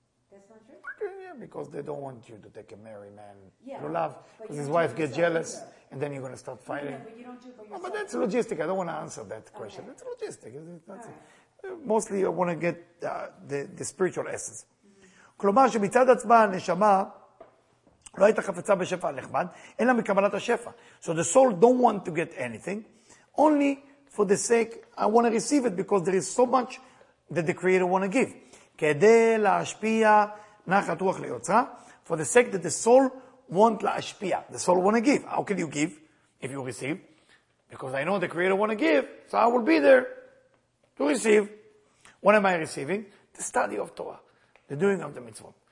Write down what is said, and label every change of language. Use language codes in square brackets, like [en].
[en] That's not true? Yeah, because they don't want you to take a married man to love. Because his wife gets jealous, and then you're going to start fighting. Yeah, but you don't do it for yourself. Oh, but that's logistic. I don't want to answer that question. Okay. It's logistic. Mostly, you want to get the spiritual essence. [he] כלומר, שמצד עצמה הנשמה לא הייתה חפצה בשפע הנחמד, אלא מקבלת השפע. [en] So the soul don't want to get anything, only for the sake, I want to receive it, because there is so much that the Creator want to give. [he] כדי להשפיע נחת רוח ליוצרה, [en] for the sake that the soul want להשפיע. The soul want to give. How can you give if you receive? Because I know the Creator want to give, so I will be there to receive. What am I receiving? The study of Torah. The doing of the mitzvot.